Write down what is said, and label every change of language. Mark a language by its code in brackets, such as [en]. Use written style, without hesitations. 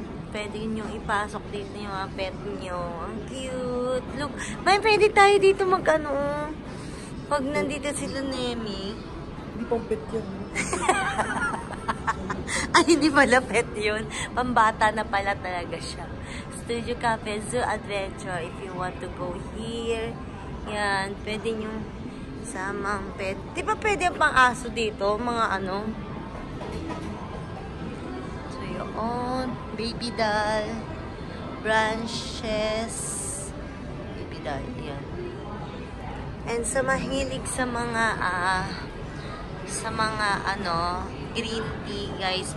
[tl] Pwede nyo ipasok dito yung mga pet nyo. Ang cute. Look, may pwede tayo dito mag ano. Pag nandito si Lunemi. Hindi pang pet yan. Ay, hindi pala pet yun. Pambata na pala talaga siya. [en] Studio Cafe Zoo Adventure if you want to go here. [tl] Yan, pwede nyo samang pet. Di ba pwede ang pang aso dito? Mga ano? So, yun. Baby doll. Branches. Baby doll. Yan. And sa mahilig sa mga ano, green tea, guys.